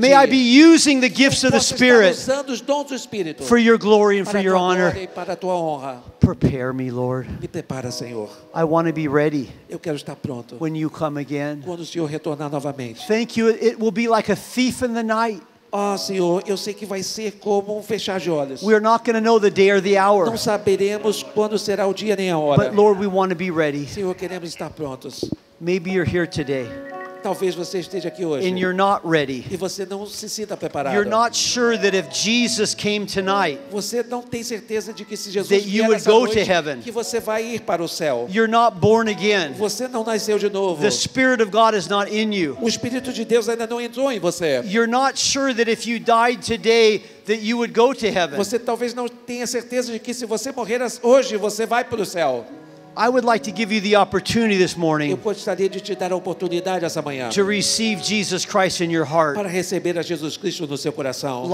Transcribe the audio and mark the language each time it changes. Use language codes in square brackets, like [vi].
[en] May I be using the gifts of the Spirit for your glory and for your honor. Prepare me, Lord. [pt] Me prepara, Senhor. [en] I want to be ready. [pt] Eu quero estar pronto. [en] When you come again. [pt] Quando o Senhor retornar novamente. [en] Thank you. It will be like a thief in the night. [pt] Oh, Senhor, eu sei que vai ser como um fechar de olhos. [en] We are not going to know the day or the hour. [pt] Não saberemos quando será o dia nem a hora. [en] But Lord, we want to be ready. [pt] Senhor, queremos estar prontos. [en] Maybe you're here today. [pt] Talvez você esteja aqui hoje. [en] And you're not ready. [pt] E você não se sinta preparado. [en] You're not sure that if Jesus came tonight, [pt] você não tem certeza de que se Jesus [en] that you would go to heaven. [pt] Que você vai ir para o céu. [en] You're not born again. [pt] Você não nasceu de novo. [en] The Spirit of God is not in you. [pt] O Espírito de Deus ainda não entrou em você. [en] You're not sure that if you died today, that you would go to heaven. [pt] Você talvez não tenha certeza de que se você morrer hoje, você vai para o céu. [en] I would like to give you the opportunity this morning. [pt] Eu gostaria de te dar a oportunidade essa manhã. [en] To receive Jesus Christ in your heart. [pt] Para receber a Jesus Cristo no seu coração.